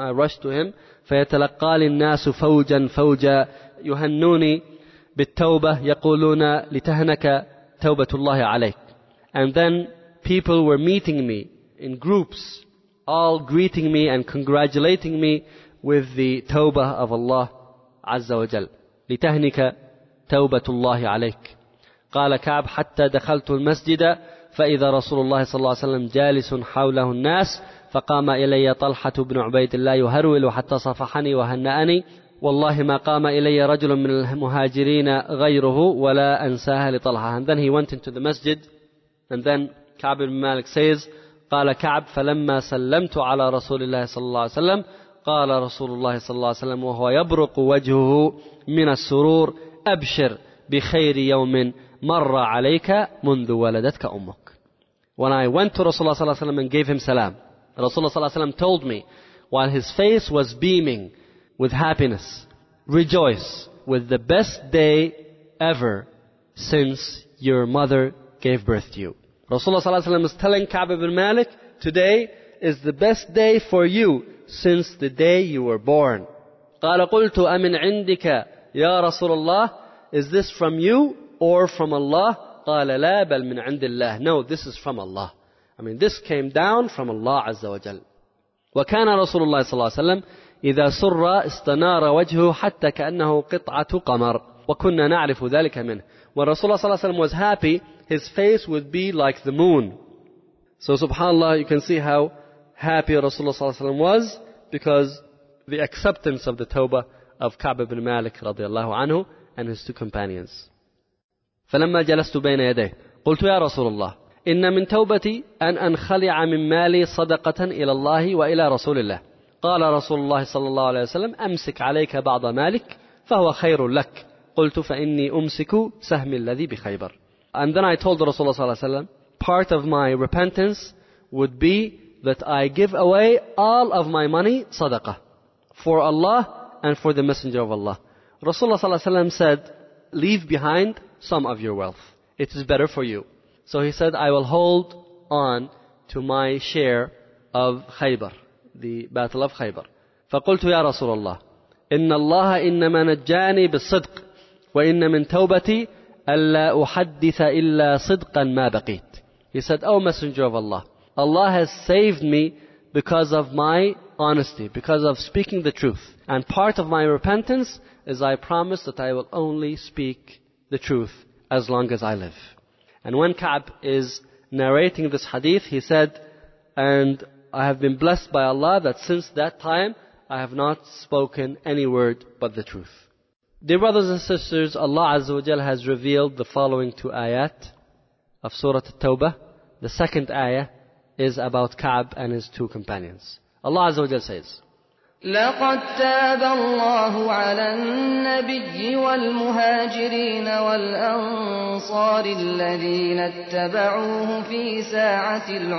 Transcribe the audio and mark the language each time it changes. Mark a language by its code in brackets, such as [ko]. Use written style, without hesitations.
[en] I rushed to him. [ar] فَيَتَلَقَّى النَّاسُ فَوْجًا فَوْجًا يُهَنُّونِي بِالتَّوْبَةِ يَقُولُونَ لِتَهْنَكَ تَوْبَةُ اللَّهِ عَلَيْكَ. [en] And then people were meeting me in groups, all greeting me and congratulating me with the tawbah of Allah عَزَّ وَجَلَّ. [ar] لِتَهْنِكَ تَوْبَةُ اللَّهِ عَلَيْكَ. قَالَ كَعْبُ حَتَّى دَخَلْتُ الْمَسْجِدَ فَإِذَا رَسُولُ اللَّهِ صَلَّى اللَّهُ عَلَيْهِ وَسَلَّمَ جَالِسٌ حَوْلَهُ النَّاسُ فقام إلي طلحة بن عبيد الله يهرول حتى صفحني وهنأني والله ما قام إلي رجل من المهاجرين غيره ولا أنساها لطلحة. [en] And then he went into the masjid and then Ka'b ibn Malik says [ar] قال كعب فلما سلمت على رسول الله صلى الله عليه وسلم قال رسول الله صلى الله عليه وسلم وهو يبرق وجهه من السرور أبشر بخير يوم مر عليك منذ ولدتك أمك. [en] When I went to Rasulullah صلى الله عليه وسلم and gave him salam, Rasulullah صلى الله عليه وسلم told me, while his face was beaming with happiness, rejoice with the best day ever since your mother gave birth to you. Rasulullah صلى الله عليه وسلم is telling Ka'b ibn Malik, today is the best day for you since the day you were born. [ar] قال قلت أمن عندك يا رسول الله, [en] is this from you or from Allah? [ar] قال لا بل من عند الله. [en] No, this is from Allah. I mean, this came down from Allah عز وجل. [ar] وكان رسول الله صلى الله عليه وسلم إذا سر استنار وجهه حتى كأنه قطعة قمر. وكنا نعرف ذلك منه. [en] When Rasulullah صلى الله عليه وسلم was happy, his face would be like the moon. So subhanAllah, you can see how happy Rasulullah صلى الله عليه وسلم was because the acceptance of the tawbah of Ka'b ibn Malik رضي الله عنه and his two companions. [ar] فلما جلست بين يديه قلت يا رسول الله إن من توبتي أن أنخلع من مالي صدقة إلى الله وإلى رسول الله. قال رسول الله صلى الله عليه وسلم أمسك عليك بعض مالك فهو خير لك. قلت فإني أمسك سهم الذي بخيبر. [en] And then I told Rasulullah صلى الله عليه وسلم, part of my repentance would be that I give away all of my money صدقة for Allah and for the Messenger of Allah. Rasulullah صلى الله عليه وسلم said, leave behind some of your wealth. It is better for you. So he said, I will hold on to my share of Khaybar, the battle of Khaybar. [ar] فقلت يا رسول الله إن الله إنما نجاني بالصدق وإن من توبتي ألا أحدث إلا صدقا ما بقيت. [en] He said, O Messenger of Allah, Allah has saved me because of my honesty, because of speaking the truth. And part of my repentance is I promise that I will only speak the truth as long as I live. And when Ka'b is narrating this hadith, he said, and I have been blessed by Allah that since that time I have not spoken any word but the truth. Dear brothers and sisters, Allah Azza wa Jal has revealed the following two ayat of Surah At-Tawbah. The second ayah is about Ka'b and his two companions. Allah Azza wa Jal says, [ar] لقد تاب الله على النبي والمهاجرين والأنصار الذين اتبعوه في ساعة